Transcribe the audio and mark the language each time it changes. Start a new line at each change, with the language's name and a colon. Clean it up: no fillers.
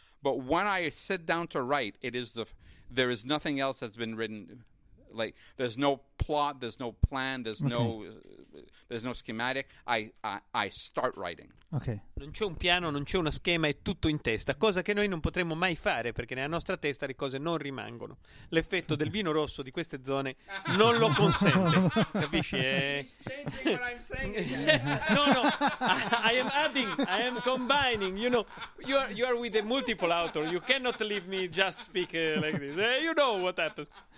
English: But when I sit down to write, there is nothing else that's been written. Like, there's no plot, there's no plan, there's no there's no schematic. I start writing. Okay.
Italian: Non c'è un piano, non c'è uno schema, è tutto in testa, cosa che noi non potremmo mai fare, perché nella nostra testa le cose non rimangono. L'effetto del vino rosso di queste zone non lo consente. Capisci? No, no.
English: I am adding, I am combining, you know. You are with a multiple author. You cannot leave me just speak like this. You know what happens.